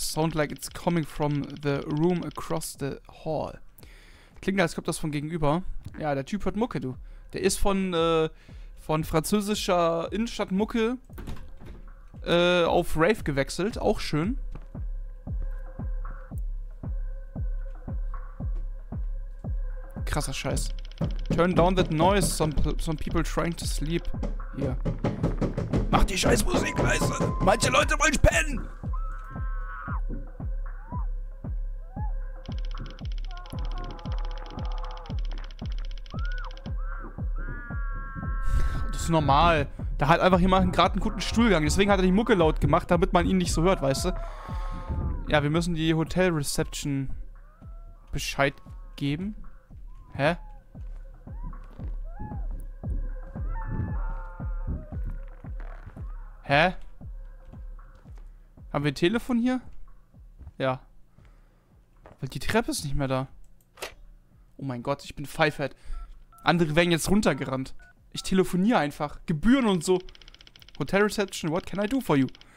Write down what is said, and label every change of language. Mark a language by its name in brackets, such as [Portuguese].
[English] Sound like it's coming from the room across the hall. [German] Klingt, als kommt das von gegenüber. Ja, der Typ hört Mucke, du. Der ist von französischer Innenstadt-Mucke auf Rave gewechselt. Auch schön. Krasser Scheiß. [English] Turn down that noise. Some people trying to sleep. [German] Hier. Mach die Scheißmusik leise. Manche Leute wollen pennen. ist normal. Da hat einfach jemand gerade einen guten Stuhlgang. Deswegen hat er die Mucke laut gemacht, damit man ihn nicht so hört, weißt du? Ja, wir müssen die Hotel Reception Bescheid geben. Hä? Hä? Haben wir ein Telefon hier? Ja. Weil die Treppe ist nicht mehr da. Oh mein Gott, ich bin Pfeifert. Andere werden jetzt runtergerannt. Ich telefoniere einfach. Gebühren und so. [English] Hotel Reception, what can I do for you?